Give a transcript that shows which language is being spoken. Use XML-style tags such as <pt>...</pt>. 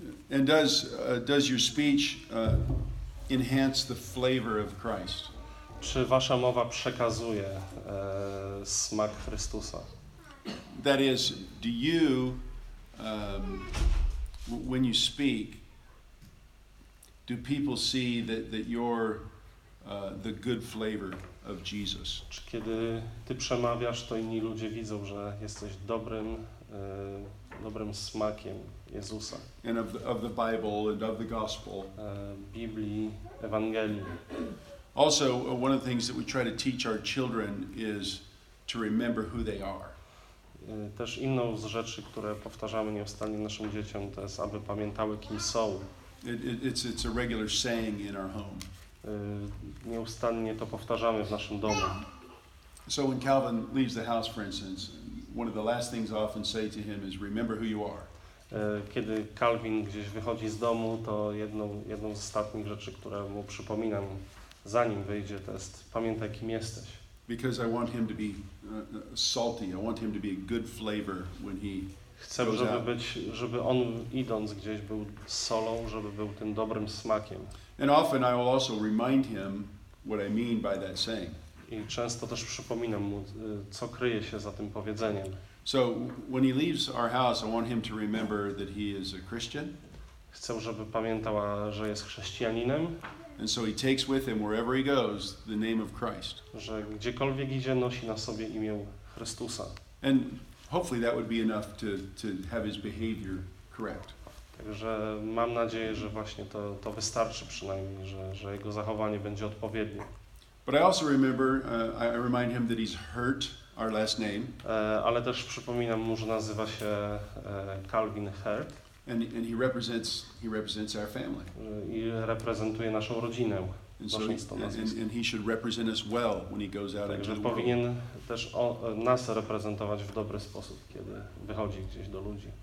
<en>And does your speech enhance the flavor of Christ?</en> <pl>Czy wasza mowa przekazuje smak Chrystusa?</pl> <en>That is, do you, when you speak, do people see that you're the good flavor of Jesus?</en> <pl>Czy kiedy ty przemawiasz, to inni ludzie widzą, że jesteś dobrym dobrym smakiem Jezusa.</pl> <en>And of the Bible and of the gospel.</en> <pl>Biblii, Ewangelii.</pl> <en>Also, one of the things that we try to teach our children is to remember who they are.</en> <pl>Też inną z rzeczy, które powtarzamy nieustannie naszym dzieciom, to jest, aby pamiętały, kim są.</pl> <en>It's a regular saying in our home.</en> <pl>Nieustannie to powtarzamy w naszym domu.</pl> <en>So when Calvin leaves the house, for instance, one of the last things I often say to him is, remember who you are.</en> <pl>Kiedy Calvin gdzieś wychodzi z domu, to jedną z ostatnich rzeczy, które mu przypominam, zanim wyjdzie, to jest, pamiętaj, kim jesteś.</pl> <en>Because I want him to be salty. I want him to be a good flavor when he</en> <pl>chcę, żeby on idąc gdzieś był solą, żeby był tym dobrym smakiem.</pl> <en>And often I will also remind him what I mean by that saying.</en> <pl>I często też przypominam mu, co kryje się za tym powiedzeniem.</pl> <en>So when he leaves our house, I want him to remember that he is a Christian.</en> <pl>Chcę, żeby pamiętał, że jest chrześcijaninem.</pl> <en>And so he takes with him wherever he goes the name of Christ.</en> <pl>Że gdziekolwiek idzie, nosi na sobie imię Chrystusa.</pl> <en>And hopefully that would be enough to have his behavior correct.</en> <pl>Także mam nadzieję, że właśnie to wystarczy przynajmniej, że jego zachowanie będzie odpowiednie.</pl> <en>But I also remember, I remind him that he's hurt our last name.</en> <pl>Ale też przypominam mu, że nazywa się Calvin Hurt.</pl> <en>And he represents our family.</en> <pl>I reprezentuje naszą rodzinę.</pl> <en>And he should represent us well when he goes out into the world.</en> <pl>Powinien też nas reprezentować w dobry sposób, kiedy wychodzi gdzieś do ludzi.</pl>